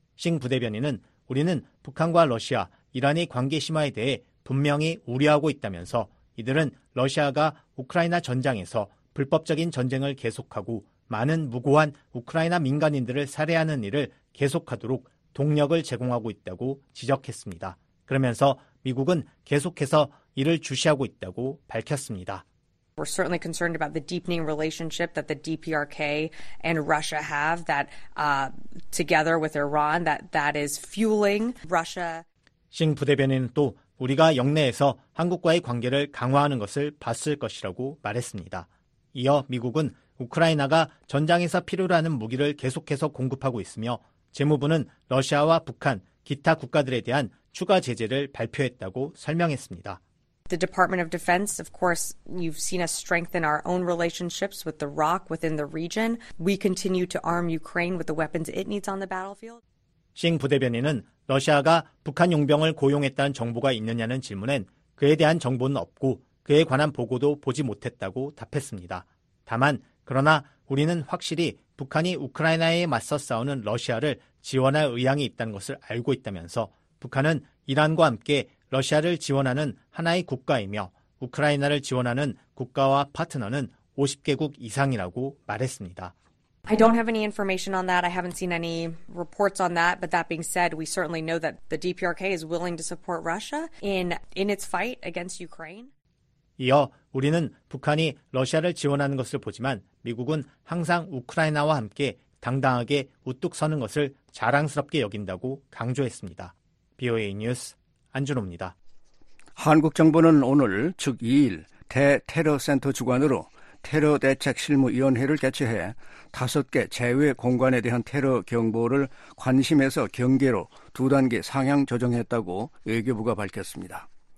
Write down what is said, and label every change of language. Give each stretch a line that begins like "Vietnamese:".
Korean: 싱 부대변인은 우리는 북한과 러시아, 이란의 관계 심화에 대해 분명히 우려하고 있다면서 이들은 러시아가 우크라이나 전장에서 불법적인 전쟁을 계속하고 많은 무고한 우크라이나 민간인들을 살해하는 일을 계속하도록 동력을 제공하고 있다고 지적했습니다. 그러면서 미국은 계속해서 이를 주시하고 있다고 밝혔습니다.
English: We're certainly concerned about the deepening relationship that the DPRK and Russia have that together with Iran that is fueling Russia.
Korean: 싱 부대변인은 또 우리가 영내에서 한국과의 관계를 강화하는 것을 봤을 것이라고 말했습니다. 이어 미국은 우크라이나가 전장에서 필요로 하는 무기를 계속해서 공급하고 있으며 재무부는 러시아와 북한, 기타 국가들에 대한 추가 제재를 발표했다고 설명했습니다.
English: The Department of Defense, of course, you've seen us strengthen our own relationships with the ROC within the region. We continue to arm Ukraine with the weapons it needs on the battlefield.
Korean: 싱 부대변인은 러시아가 북한 용병을 고용했다는 정보가 있느냐는 질문엔 그에 대한 정보는 없고 그에 관한 보고도 보지 못했다고 답했습니다. 다만 그러나 우리는 확실히 북한이 우크라이나에 맞서 싸우는 러시아를 지원할 의향이 있다는 것을 알고 있다면서 북한은 이란과 함께 러시아를 지원하는 하나의 국가이며 우크라이나를 지원하는 국가와 파트너는 50개국 이상이라고 말했습니다.
English: I don't have any information on that. I haven't seen any reports on that. But that being said, we certainly know that the DPRK is willing to support Russia in its fight against Ukraine.
Korean: 이어 우리는 북한이 러시아를 지원하는 것을 보지만 미국은 항상 우크라이나와 함께 당당하게 우뚝 서는 것을 자랑스럽게 여긴다고 강조했습니다. BOA 뉴스 안준호입니다. 한국 정부는 오늘 즉 2일 대테러센터 주관으로 테러대책실무위원회를 개최해 5개 제외 공간에 대한 테러 경보를 관심에서 경계로 두 단계 상향 조정했다고 외교부가 밝혔습니다.